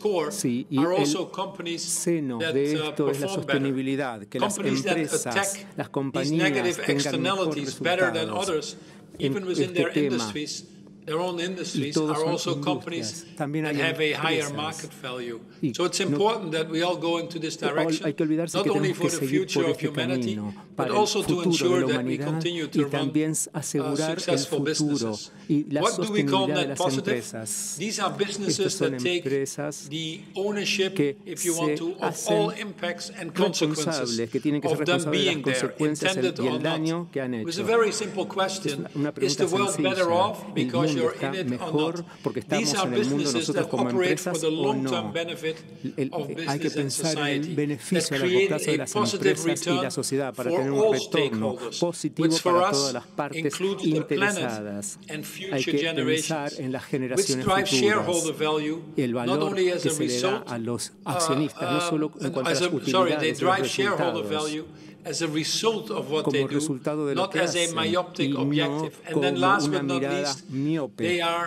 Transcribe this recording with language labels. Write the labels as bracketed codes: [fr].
[es] Sí, y el seno de esto es la sostenibilidad, que las empresas, las compañías tengan mejores resultados en este tema. Y todas las industrias también hay empresas. [en] So it's important that we all go into this direction. [es] Hay que olvidarse que tenemos que seguir por este camino, [en] but also to ensure that we continue to run successful businesses. What do we call that positive? These are businesses that take the ownership, if you want to, of all impacts and consequences of them being there, intended or not. It was a very simple question. Is the world better off because you're in it or not? These are businesses that operate for the long-term benefit of business and society, that create a positive return for [es] un retorno positivo para todas las partes interesadas. Hay que pensar en las generaciones futuras y el valor que se le da a los accionistas, no solo en cuanto a las utilidades y los resultados, como resultado de lo que hacen, y no como una mirada miope.